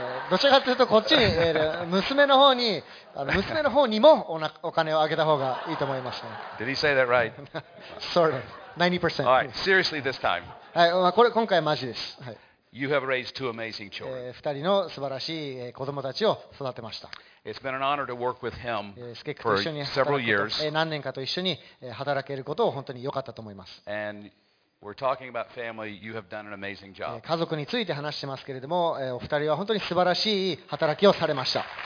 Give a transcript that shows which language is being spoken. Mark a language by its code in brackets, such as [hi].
[ja] どちらかというとこっちに、娘の方にもお金をあげた方がいいと思いますね。 [en] Did he say that right? Sort of. 90%. All right. Seriously this time. [ja] はい、まあ、これ今回マジです。はい、 [en] you have raised two amazing children. [ja] 2人の素晴らしい子供たちを育てました。 [en] It's been an honor to work with him for several years. [ja] 何年かと一緒に働けることを本当に良かったと思います。 [en] And We're talking about family. You have done an amazing job. [ja] 家族について話してますけれども、お二人は本当に素晴らしい働きをされました。